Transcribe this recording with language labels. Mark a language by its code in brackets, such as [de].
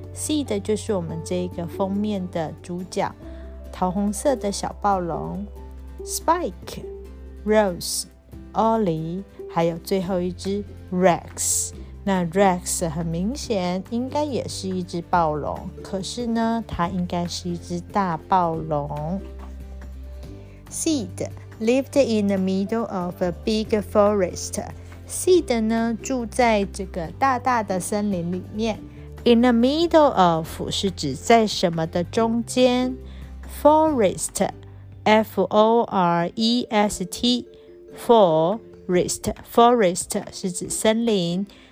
[zh] Sid 就是我们这个封面的主角，桃红色的小暴龙。 Spike, Rose, Ollie, 还有最后一只 Rex. 那 Rex 很明显应该也是一只暴龙，可是呢，它应该是一只大暴龙。 [en] Sid lived in the middle of a big forest. [zh] Sid 呢，住在这个大大的森林里面。 [en] In the middle of [zh] 是指在什么的中间。 [en] Forest, F-O-R-E-S-T, Forest, Forest [zh] 是指森林。